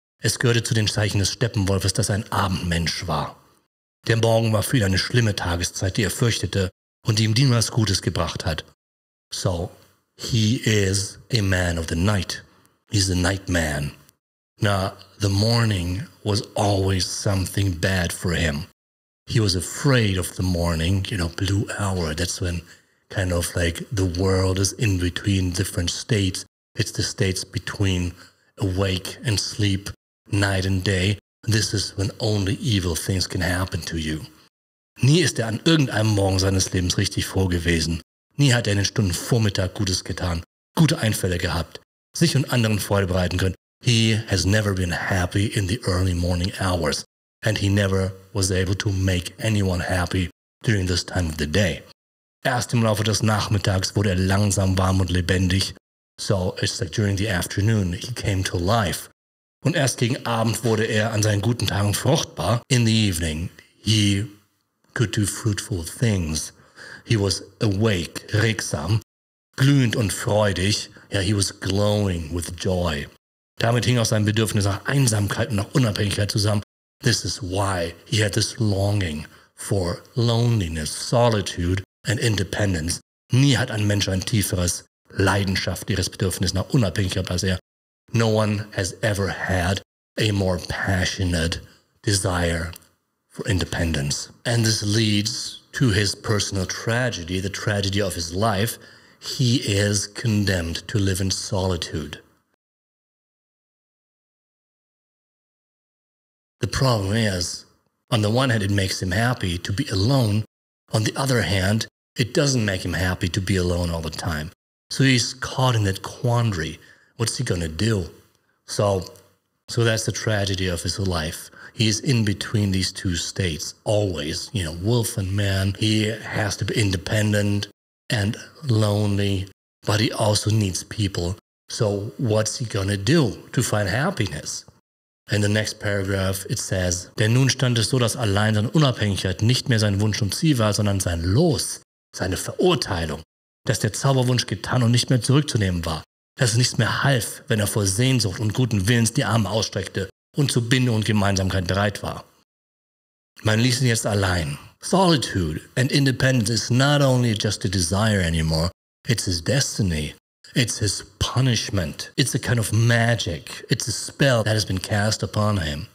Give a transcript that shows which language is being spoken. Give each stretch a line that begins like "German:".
German: Es gehörte zu den Zeichen des Steppenwolfes, dass er ein Abendmensch war. Der Morgen war für ihn eine schlimme Tageszeit, die er fürchtete und die ihm niemals Gutes gebracht hat.
English: So, he is a man of the night. He's a nightman. Now, the morning was always something bad for him. He was afraid of the morning, you know, blue hour. That's when kind of like the world is in between different states. It's the states between awake and sleep, night and day. This is when only evil things can happen to you.
German: Nie ist er an irgendeinem Morgen seines Lebens richtig froh gewesen. Nie hat er in den Stunden Vormittag Gutes getan, gute Einfälle gehabt, sich und anderen Freude bereiten können.
English: He has never been happy in the early morning hours and he never was able to make anyone happy during this time of the day.
German: Erst im Laufe des Nachmittags wurde er langsam warm und lebendig.
English: So it's like during the afternoon he came to life.
German: Und erst gegen Abend wurde er an seinen guten Tagen fruchtbar.
English: In the evening he could do fruitful things. He was awake,
German: regsam, glühend und freudig.
English: Yeah, he was glowing with joy.
German: Damit hing auch sein Bedürfnis nach Einsamkeit und nach Unabhängigkeit zusammen.
English: This is why he had this longing for loneliness, solitude and independence.
German: Nie hat ein Mensch ein tieferes leidenschaftliches Bedürfnis nach Unabhängigkeit als er.
English: No one has ever had a more passionate desire for independence. And this leads to his personal tragedy, the tragedy of his life. He is condemned to live in solitude. The problem is, on the one hand, it makes him happy to be alone. On the other hand, it doesn't make him happy to be alone all the time. So he's caught in that quandary. What's he going to do? So that's the tragedy of his life. He's in between these two states always. You know, wolf and man. He has to be independent and lonely, but he also needs people. So what's he going to do to find happiness? In the next paragraph it says,
German: denn nun stand es so, dass allein seine Unabhängigkeit nicht mehr sein Wunsch und Ziel war, sondern sein Los, seine Verurteilung, dass der Zauberwunsch getan und nicht mehr zurückzunehmen war, dass es nichts mehr half, wenn er vor Sehnsucht und guten Willens die Arme ausstreckte und zu Bindung und Gemeinsamkeit bereit war. Man ließ ihn jetzt allein.
English: Solitude and independence is not only just a desire anymore, it's his destiny. It's his punishment. It's a kind of magic. It's a spell that has been cast upon him.